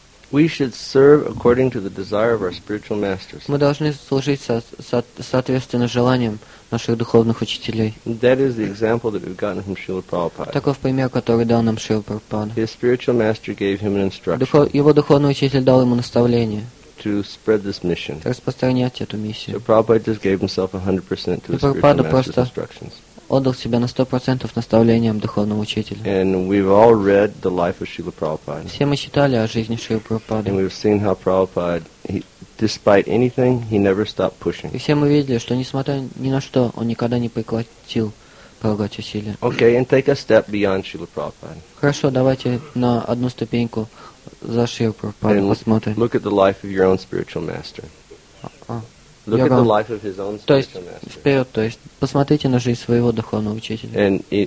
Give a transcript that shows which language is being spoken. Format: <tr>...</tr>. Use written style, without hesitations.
<en>We should serve according to the desire of our spiritual masters.</en> <ru>Мы должны служить соответственно желаниям наших духовных учителей.</ru> <en>That is the example that we've gotten from Srila Prabhupada.</en> <ru>Таков пример, который дал нам Шрила Прабхупада.</ru> <en>His spiritual master gave him an instruction.</en> <ru>Его духовный учитель дал ему наставление.</ru> <en>To spread this mission.</en> <ru>Распространять эту миссию.</ru> <en>So Prabhupada just gave himself 100% to his spiritual master's instructions.</en> <ru>Отдал себя на 100% наставлениям духовного учителя.</ru> <en>And we've all read the life of Srila Prabhupada.</en> <ru>Все мы читали о жизни Шрилы Прабхупады.</ru> <en>And we've seen how Prabhupada, despite anything, he never stopped pushing.</en> <ru>И все мы видели, что несмотря ни на что, он никогда не прекратил прилагать усилия.</ru> <en>Okay, and take a step beyond Srila Prabhupada.</en> <ru>Хорошо, давайте на одну ступеньку за Шрилу Прабхупаду посмотрим.</ru> <en>Look at the life of your own spiritual master.</en> <ru>То есть, посмотрите на жизнь своего духовного учителя.</ru>